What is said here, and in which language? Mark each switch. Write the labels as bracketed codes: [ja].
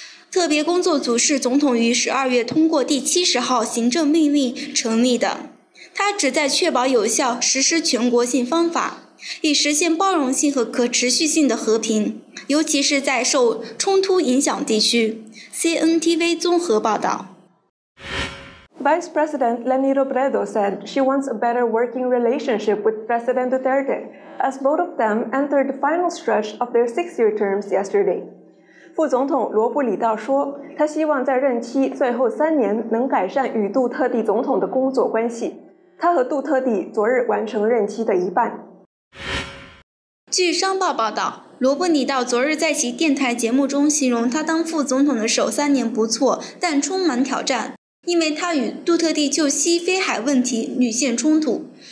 [zh] 特别工作组是总统于12月通过第70号行政命令成立的，它旨在确保有效实施全国性方法，以实现包容性和可持续性的和平，尤其是在受冲突影响地区。 CNTV 综合报道。 [en] Vice President Lenny Robredo said she wants a better working relationship with President Duterte as both of them entered the final stretch of their six-year terms yesterday。 [zh] 副总统罗布里道说，他希望在任期最后三年能改善与杜特地总统的工作关系。他和杜特地昨日完成任期的一半。据商报报道，罗布里道昨日在其电台节目中形容他当副总统的首三年不错，但充满挑战，因为他与杜特地就西非海问题屡陷冲突。